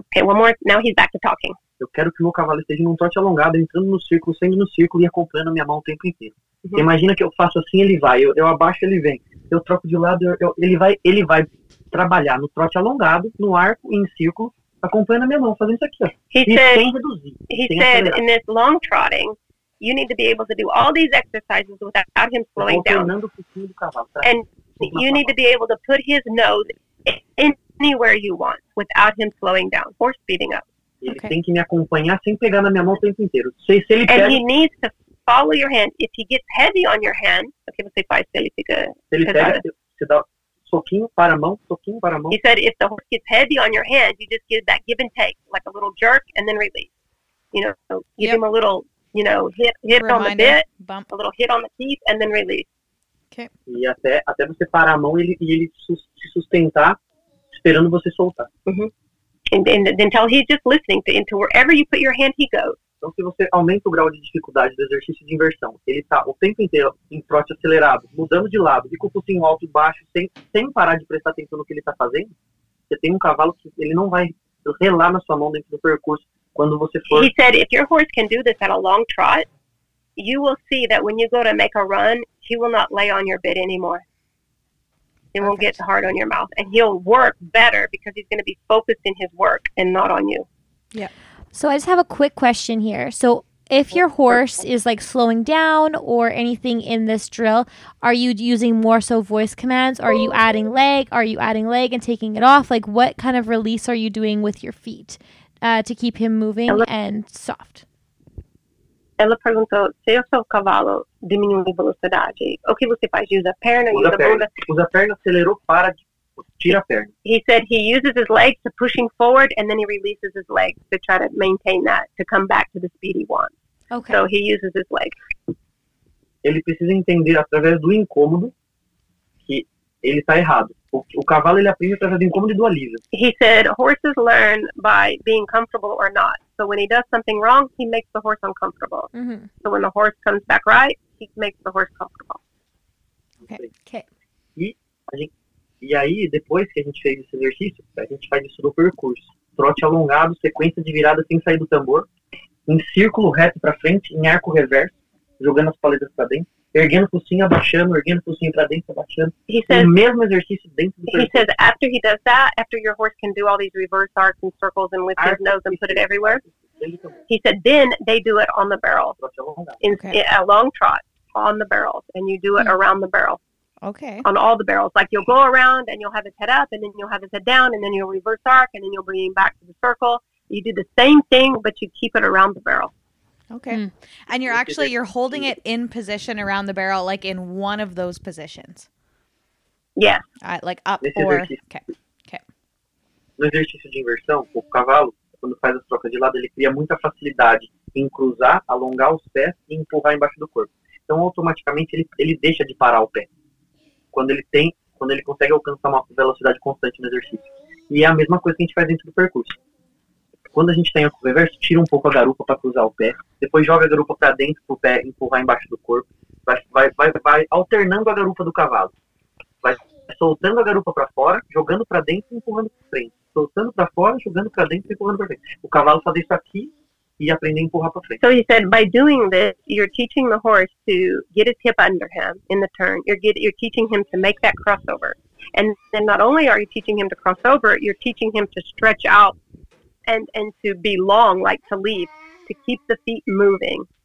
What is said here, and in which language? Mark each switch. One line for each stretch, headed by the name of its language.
English: Okay, one more. Now he's back to talking.
Portuguese: Eu quero que meu cavalo esteja num trote alongado, entrando no círculo, saindo no círculo e acompanhando a minha mão o tempo inteiro. Uhum. Imagina que eu faço assim, ele vai. Eu abaixo, ele vem. Eu troco de lado, ele vai trabalhar no trote alongado, no arco e em círculo, acompanhando a minha mão, fazendo isso aqui, ó.
English: He said, in this long trotting, you need to be able to do all these exercises without him slowing down.
Portuguese: Treinando pro fim do cavalo, tá?
English: And you need to be able to put his nose anywhere you want without him slowing down or speeding up.
Portuguese: Ele tem que me acompanhar sem pegar na minha mão o tempo inteiro. Se ele pega...
English: And he needs to follow your hand. If he gets heavy on your hand, okay,
Portuguese: você faz, se ele fica... Soquinho para a mão.
English: He said, if the horse gets heavy on your hand, you just give that give and take, like a little jerk, and then release. You know, so give him a little, you know, hit reminder, on the bit, bump. A little hit on the teeth, and then release. Okay.
Portuguese: E até você parar a mão e ele se sustentar, esperando você soltar. Uh-huh.
English: And until he's just listening to wherever you put your hand, he goes.
Portuguese: Então, se você aumenta o grau de dificuldade do exercício de inversão, ele está o tempo inteiro em trote acelerado, mudando de lado, de cupucinho alto e baixo, sem parar de prestar atenção no que ele está fazendo, você tem um cavalo que ele não vai relar na sua mão dentro do percurso quando você for...
English: He said, if your horse can do this at a long trot, you will see that when you go to make a run, he will not lay on your bit anymore. It won't get hard on your mouth. And he'll work better because he's going to be focused in his work and not on you. Yeah. So I just have a quick question here. So if your horse is like slowing down or anything in this drill, are you using more so voice commands? Are you adding leg? Are you adding leg and taking it off? Like what kind of release are you doing with your feet to keep him moving and soft?
Portuguese: ela perguntou se o seu cavalo diminui velocidade. O que você faz? Usa a perna? Usa a bunda? Usa a perna, acelerou, para, tira a perna.
English: He said he uses his legs to push him forward and then he releases his legs to try to maintain that, to come back to the speed he wants. Okay. So he uses his legs.
Portuguese: Ele precisa entender através do incômodo que ele está errado. O cavalo, ele aprende através do incômodo e do alívio.
English: He said horses learn by being comfortable or not. So when he does something wrong, he makes the horse uncomfortable. Mm-hmm. So when the horse comes back right, he makes the horse comfortable. Okay.
Portuguese: E, a gente, e aí, depois que a gente fez esse exercício, a gente faz isso no percurso. Trote alongado, sequência de virada sem sair do tambor, em círculo reto para frente, em arco reverso, jogando as paletas para dentro. Erguendo o focinho, abaixando, erguendo o focinho pra dentro, abaixando.
English: He says,
Portuguese: o mesmo exercício dentro do percurso.
English: He says, after he does that, after your horse can do all these reverse arcs and circles and lift his nose and put it everywhere, he said, then they do it on the barrel. Okay. A long trot on the barrels, and you do it around the barrel. Okay. On all the barrels. Like, you'll go around, and you'll have his head up, and then you'll have his head down, and then you'll reverse arc, and then you'll bring him back to the circle. You do the same thing, but you keep it around the barrel. Okay. Mm. And you're actually, you're holding it in position around the barrel, like in one of those positions. Yeah. Like up or... Okay.
Portuguese: No exercício de inversão, o cavalo, quando faz as trocas de lado, ele cria muita facilidade em cruzar, alongar os pés e empurrar embaixo do corpo. Então, automaticamente, ele deixa de parar o pé. Quando ele consegue alcançar uma velocidade constante no exercício. E é a mesma coisa que a gente faz dentro do percurso. Quando a gente tem o reverso, tira um pouco a garupa para cruzar o pé. Depois joga a garupa para dentro pro pé empurrar embaixo do corpo. Vai alternando a garupa do cavalo. Vai soltando a garupa para fora, jogando para dentro e empurrando para frente. Soltando para fora, jogando para dentro e empurrando para frente. O cavalo faz isso aqui e aprende a empurrar para frente.
English: So he said, by doing this, you're teaching the horse to get his hip under him in the turn. You're teaching him to make that crossover. And then not only are you teaching him to cross over, you're teaching him to stretch out and to be long, like to leap, to keep the feet moving.